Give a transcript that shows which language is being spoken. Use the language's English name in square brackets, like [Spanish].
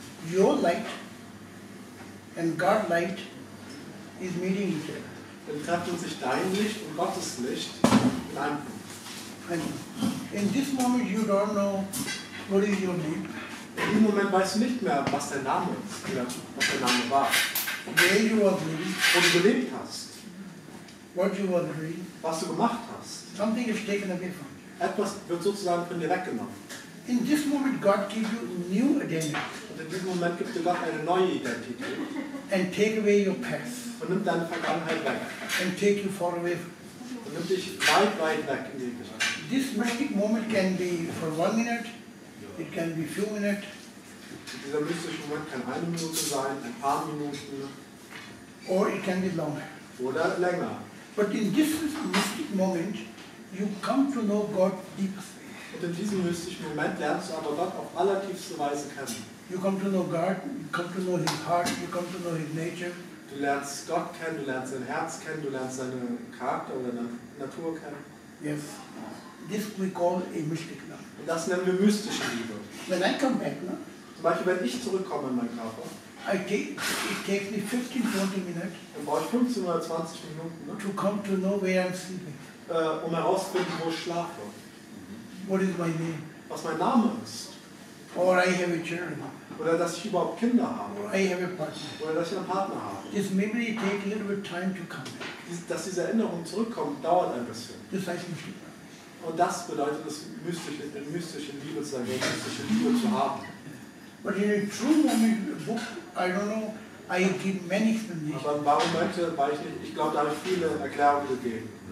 [English] Your light and God's light is meeting each other. [German] Dann treffen sich dein Licht und Gottes Licht in einem Punkt. [English] And in this moment you don't know what is your name. [German] In dem Moment weißt du nicht mehr, was dein Name ist, was dein Name war. [English] Where you were living, [German] wo du gelebt hast. [English] What you were doing, [German] was du gemacht hast. [English] Something is taken away from you. [German] Etwas wird sozusagen von dir weggenommen. [English] In this moment God gives you a new identity. [German] Und in diesem Moment gibt dir Gott eine neue Identität. [English] And take away your past. [German] Und nimmt deine Vergangenheit weg. [English] And take you far away. [German] Und nimmt dich weit, weit weg in die Geschichte. [English] This mystic moment can be for 1 minute. It can be a few minutes. [German] Dieser mystische Moment kann eine Minute sein, ein paar Minuten. [English] Or it can be longer. [German] Oder länger. [English] But in this mystic moment, you come to know God deeply. [German] Und in diesem mystischen Moment lernst du aber Gott auf allertiefste Weise kennen. [English] You come to know God, you come to know His heart, you come to know His nature. [German] Du lernst Gott kennen, du lernst sein Herz kennen, du lernst seine Charakter oder Natur kennen. [English] Yes. This we call a mystic love. [German] Und das nennen wir mystische Liebe. [English] When I come back, no? [German] Zum Beispiel, wenn ich zurückkomme in meinen Körper, [English] it takes me 15-20 minutes. [German] Dann brauche ich 15 oder 20 Minuten, ne? [English] To come to know where I'm sleeping. [German] Um herauszufinden, wo ich schlafe. [English] What is my name? [German] Was mein Name ist. [English] Or I have a children. [German] Oder dass ich überhaupt Kinder habe. [English] Or I have a partner. [German] Oder dass ich einen Partner habe. [English] This memory takes a little bit time to come back. [German] Dass diese Erinnerung zurückkommt, dauert ein bisschen. Das heißt nicht mehr. Und das bedeutet, das mystische, eine mystische Liebe zu sein, eine mystische Liebe zu haben. [English] But in a true moment book, I don't know, I give many explanations. [German] Aber warum Leute, weil ich glaube, da habe ich viele Erklärungen gegeben.